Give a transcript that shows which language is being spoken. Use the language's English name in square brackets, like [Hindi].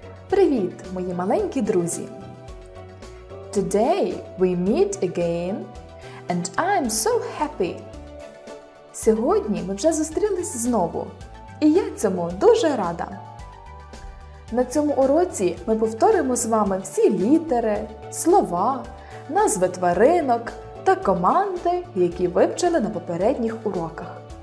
[Ukrainian] Привіт, мої маленькі друзі. [English] Today we meet again, and I'm so happy. [Ukrainian] Сьогодні ми вже зустрілись знову, і я цьому дуже рада. На цьому уроці ми повторимо з вами всі літери, слова, назви тваринок та команди, які вивчили на попередніх уроках.